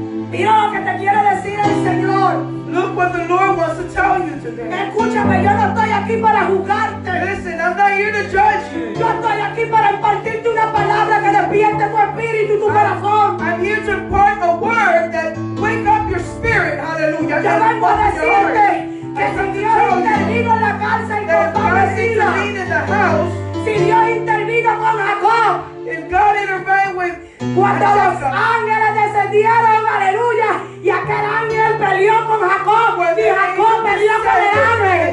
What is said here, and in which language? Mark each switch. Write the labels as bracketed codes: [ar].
[es] Mira lo que te quiere decir el Señor. [en] Look what the Lord wants to tell you today. [es] Escúchame, yo no estoy aquí para juzgarte. [en] Listen, I'm not here to judge you. [es] Yo estoy aquí para impartirte una palabra que despierte tu espíritu y tu corazón. [en] I'm here to impart a word that wake up your spirit, hallelujah. [es] Yo vengo a decirte que si Dios intervino en la cárcel con Pablo y Sila, si Dios intervino con Jacob, [en] if God intervened with [es] cuando los ángeles descendieron, aleluya, y aquel ángel peleó con Jacob, y Jacob peleó con el ángel,